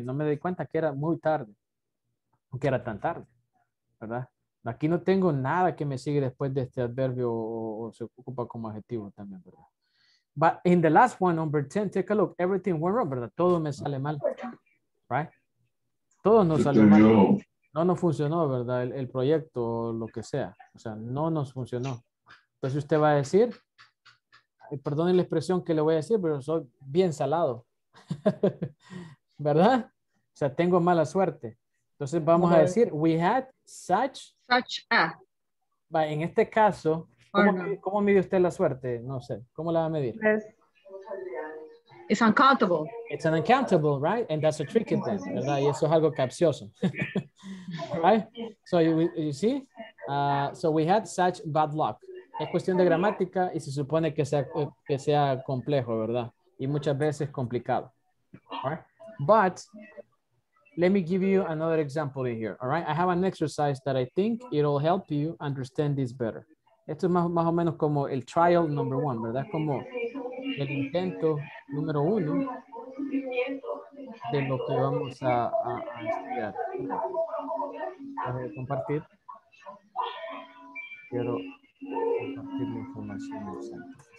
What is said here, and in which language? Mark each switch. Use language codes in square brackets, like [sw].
[es] No me di cuenta que era muy tarde. Que era tan tarde, ¿verdad? Aquí no tengo nada que me sigue después de este adverbio o se ocupa como adjetivo también, ¿verdad? [en] But in the last one, number 10, take a look. Everything went wrong, [es] ¿verdad? Todo me sale mal, ¿right? Todo nos sale mal. No funcionó, ¿verdad? El proyecto o lo que sea. O sea, no nos funcionó. Entonces usted va a decir, perdone la expresión que le voy a decir, pero soy bien salado, ¿verdad? O sea, tengo mala suerte. Entonces vamos a decir, [en] we had such a. [es] Va, en este caso, ¿cómo mide usted la suerte? No sé, ¿cómo la va a medir? [en] It's uncountable. It's an uncountable, right? And that's a tricky thing, ¿verdad? [es] Y eso es algo capcioso. [en] Right? So you see, so we had such bad luck. [es] Es cuestión de gramática y se supone que sea complejo, ¿verdad? Y muchas veces complicado. [en] All right? But let me give you another example in here. All right? I have an exercise that I think it'll help you understand this better. [es] Esto es más o menos como el [en] trial number one, [es] ¿verdad? Como el intento número uno de lo que vamos a estudiar. Voy a compartir. Quiero compartir la información.